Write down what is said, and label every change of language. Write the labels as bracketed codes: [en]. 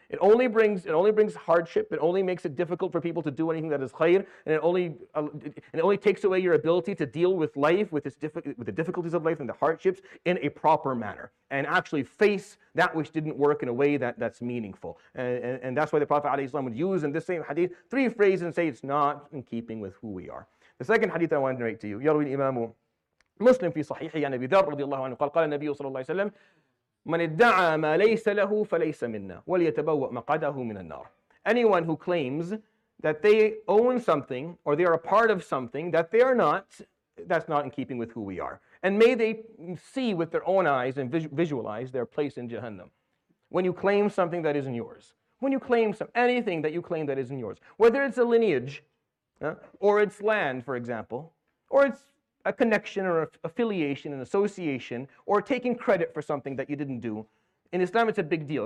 [en] It only brings hardship. It only makes it difficult for people to do anything that is khair, and it only takes away your ability to deal with life, with the difficulties of life and the hardships in a proper manner, and actually face that which didn't work in a way that's meaningful. And that's why the Prophet ﷺ would use in this same hadith three phrases and say it's not in keeping with who we are. The second hadith I want to narrate to you, [ar] يروي الإمام مسلم في صحيحه عن أبي ذر رضي الله عنه قال قال النبي صلى الله عليه وسلم من ادعى ما ليس له فليس منا وليتبوأ مقعده من النار. [en] Anyone who claims that they own something or they are a part of something that they are not, that's not in keeping with who we are. And may they see with their own eyes and visualize their place in Jahannam. When you claim something that isn't yours, when you claim anything that you claim that isn't yours, whether it's a lineage, or it's land, for example, or it's a connection or affiliation, an association, or taking credit for something that you didn't do, in Islam it's a big deal.